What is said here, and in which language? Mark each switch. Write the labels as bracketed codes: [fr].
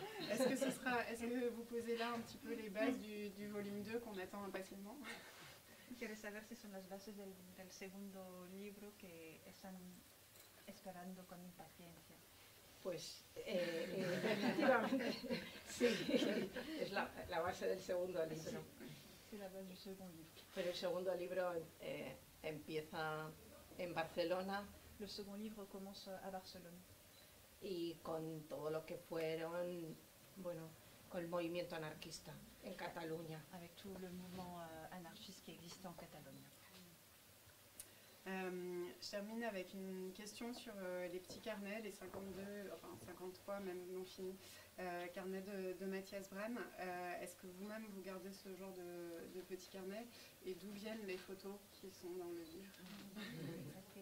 [fr] Est-ce que vous posez là un petit peu les bases du volume 2 qu'on attend impatiemment? [es] Quieres saber si son las bases del segundo libro que están esperando con impaciencia. Pues efectivamente, sí, es la base del segundo libro. Sí, la base del segundo libro. Pero el segundo libro empieza en Barcelona. El segundo libro comienza a Barcelona. Y con todo lo que fueron, bueno, con el movimiento anarquista en Cataluña. [fr] Avec tout le mouvement anarchiste qui existe en Catalogne. Je termine avec une question sur les petits carnets, les 52, enfin 53 même, non finis, carnets de Mathias Brahm. Est-ce que vous-même vous gardez ce genre de petits carnets et d'où viennent les photos qui sont dans le livre?